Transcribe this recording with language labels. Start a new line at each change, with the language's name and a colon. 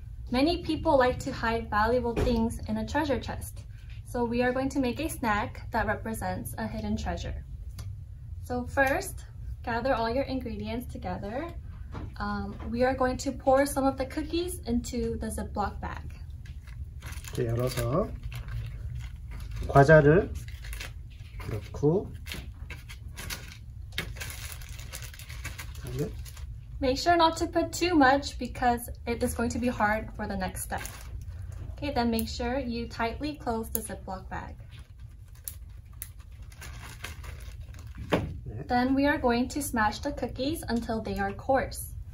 English: Many people like to hide valuable things in a treasure chest. So we are going to make a snack that represents a hidden treasure. So first, gather all your ingredients together. We are going to pour some of the cookies into the Ziploc bag.
Korean: 이렇게 열어서 과자를 넣고
English: Make sure not to put too much because it is going to be hard for the next step. Okay, then make sure you tightly close the Ziploc bag.
Korean: 네.
English: Then we are going to smash the cookies until they are coarse.